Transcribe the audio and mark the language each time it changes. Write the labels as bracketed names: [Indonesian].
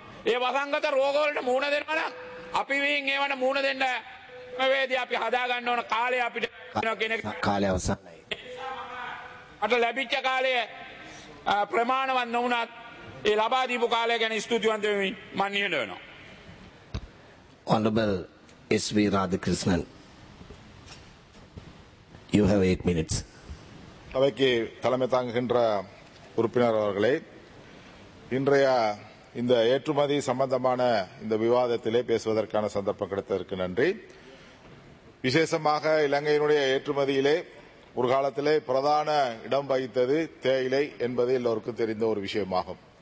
[Sinhala] ඒ වසංගත රෝග වලට මූණ දෙනවා නම් අපි වෙන් ඒවට මූණ දෙන්න ක්‍රමවේද අපි හදා ගන්න ඕන කාලය අපිට කාලය අවසන්යි. අපට ලැබිච්ච කාලය ප්‍රමාණවත් නොවුණත් ඒ ලබා දීපු කාලය ගැන ස්තුතිවන්ත වෙමි. මම නිහඬ වෙනවා. [English] Honorable S.V. Radhakrishnan, you have 8 minutes. [Tamil] தவைக்கு தலைமை தாங்குகின்ற உறுப்பினர் அவர்களே, இன்றைய இந்த ஏற்றுமதி சம்பந்தமான இந்த விவாதத்திலே பேசுவதற்கான சந்தர்ப்பம் கிடைத்ததற்கு நன்றி. விசேஷமாக இலங்கையினுடைய ஏற்றுமதியிலே ஒரு காலத்திலே பிரதான இடம் வகித்தது தேயிலை என்பது எல்லோருக்கும் தெரிந்த ஒரு விஷயமாகும்.